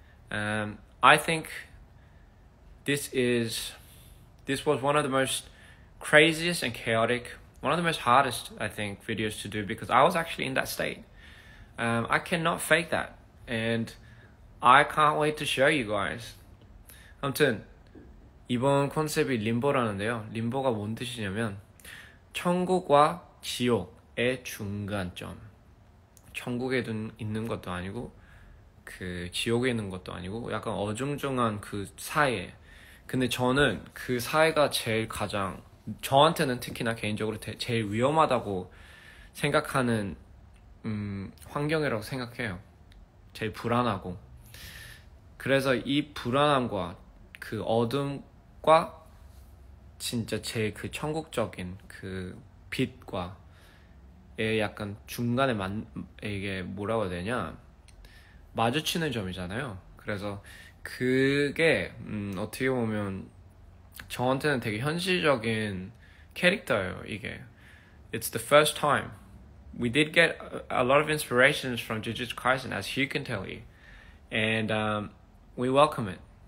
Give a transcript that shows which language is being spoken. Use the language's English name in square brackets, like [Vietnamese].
[English] I think this was one of the most craziest and chaotic, one of the most hardest, I think, videos to do, because I was actually in that state. I cannot fake that. And I can't wait to show you guys. [Korean] 아무튼 이번 컨셉이 림보라는데요. 림보가 뭔 뜻이냐면 천국과 지옥의 중간점. 천국에 있는 것도 아니고 그 지옥에 있는 것도 아니고 약간 어중중한 그 사이에. 근데 저는 그 사이가 제일 가장 저한테는 특히나 개인적으로 제일 위험하다고 생각하는 환경이라고 생각해요. 제일 불안하고. 그래서 이 불안함과 그 어둠과 진짜 제일 그 천국적인 그 빛과 에 약간 중간에 이게 뭐라고 해야 되냐 마주치는 점이잖아요. 그래서 그게 어떻게 보면 저한테는 되게 현실적인 캐릭터예요. [English] 이게 It's the first time we did get a lot of inspirations from Jujutsu Kaisen, as Hugh can tell you, and we welcome it.